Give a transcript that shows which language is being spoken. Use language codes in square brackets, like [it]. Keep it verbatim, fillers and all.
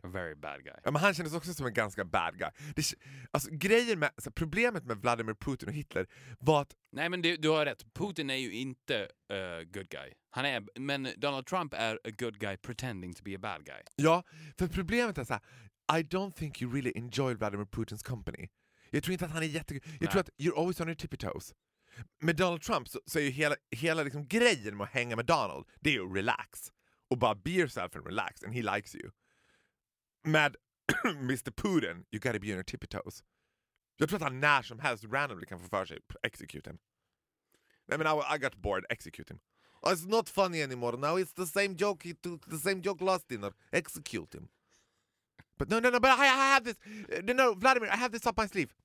[en] A very bad guy. [sv] Ja, men han kändes också som en ganska [en] bad guy. [sv] Det, alltså, grejen med, alltså, problemet med Vladimir Putin och Hitler var att... Nej, men du, du har rätt. Putin är ju inte uh, [en] good guy. [sv] Han är, men Donald Trump är [en] a good guy pretending to be a bad guy. [sv] Ja, för problemet är så här... [en] I don't think you really enjoy Vladimir Putins company. [sv] Jag tror inte att han är jättegud. Jag Nej. tror att [en] you're always on your tippy toes. [sv] Med Donald Trump så, så är ju hela, hela liksom grejen med att hänga med Donald, det är ju relax. Och bara [en] be yourself and relax, and he likes you. [sv] Med [en] mister Putin, you gotta be on your tippy toes. [sv] Jag tror att han när som helst randomly kan få för sig [en] execute him. I mean, I, I got bored, execute him. Oh, it's not funny anymore now, it's the same joke, he took the same joke last dinner. Execute him. But no, no, no, but I, I have this. No, no, Vladimir, I have this up my sleeve.